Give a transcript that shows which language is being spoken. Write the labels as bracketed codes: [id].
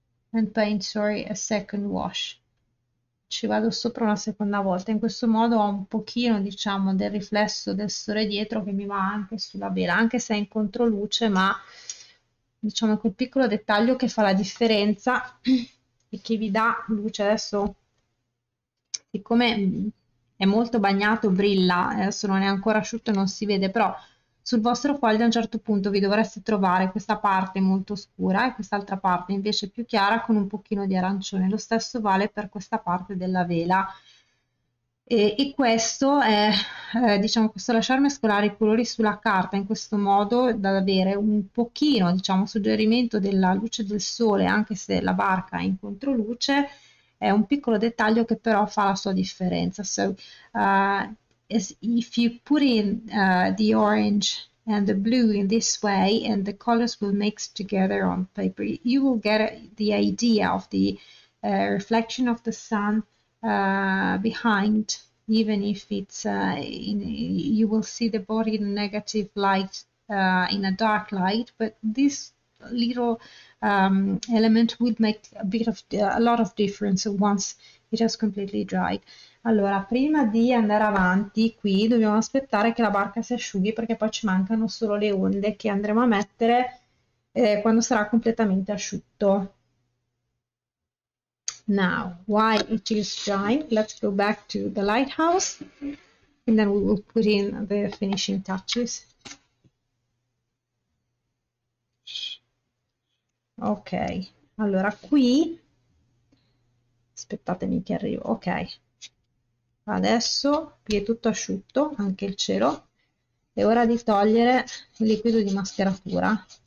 [en] And paint, sorry, a second wash. [it] Ci vado sopra una seconda volta. In questo modo ho un pochino, diciamo, del riflesso del sole dietro che mi va anche sulla vela, anche se è in controluce, ma diciamo quel piccolo dettaglio che fa la differenza e che vi dà luce adesso. Siccome è molto bagnato, brilla, adesso non è ancora asciutto e non si vede, però sul vostro foglio a un certo punto vi dovreste trovare questa parte molto scura e quest'altra parte invece più chiara con un pochino di arancione. Lo stesso vale per questa parte della vela. E questo è, diciamo, questo lasciar mescolare i colori sulla carta in questo modo da avere un pochino, diciamo, suggerimento della luce del sole, anche se la barca è in controluce. È un piccolo dettaglio che però fa la sua differenza. [en] So, if you put in the orange and the blue in this way and the colors will mix together on paper, you will get the idea of the reflection of the sun behind, even if it's you will see the body in negative light, in a dark light, but this little element would make a lot of difference once it has completely dried. [it] Allora, prima di andare avanti qui dobbiamo aspettare che la barca si asciughi perché poi ci mancano solo le onde che andremo a mettere quando sarà completamente asciutto. [en] Now, while it is drying, let's go back to the lighthouse and then we will put in the finishing touches. [it] Ok, allora qui, aspettatemi che arrivo, ok, adesso qui è tutto asciutto, anche il cielo, è ora di togliere il liquido di mascheratura.